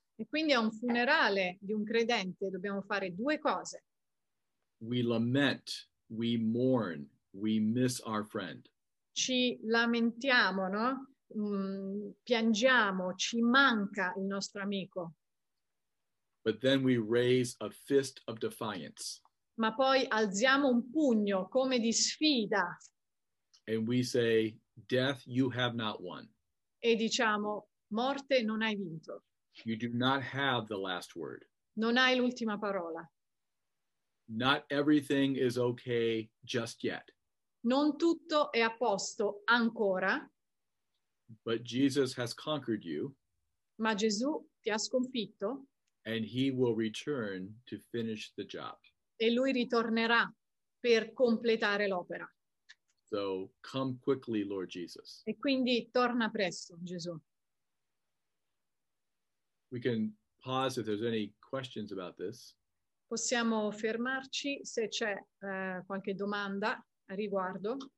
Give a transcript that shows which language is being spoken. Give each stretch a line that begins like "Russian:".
Italian: E quindi a un funerale di un credente dobbiamo fare due cose.
English: We lament, we mourn, we miss our friend.
Italian: Ci lamentiamo, no? Piangiamo, ci manca il nostro amico.
English: But then we raise a fist of defiance.
Italian: Ma poi alziamo un pugno come di sfida.
English: And we say, death, you have not won.
Italian: E diciamo, morte, non hai vinto.
English: You do not have the last word.
Italian: Non hai l'ultima parola.
English: Not everything is okay just yet.
Italian: Non tutto è a posto ancora.
English: But Jesus has conquered you.
Italian: Ma Gesù ti ha sconfitto.
English: And he will return to finish the job.
Italian: E lui ritornerà per completare l'opera.
English: So come quickly, Lord Jesus.
Italian: E quindi torna presto, Gesù.
English: We can pause if there's any questions about this.
Italian: Possiamo fermarci se c'è qualche domanda a riguardo.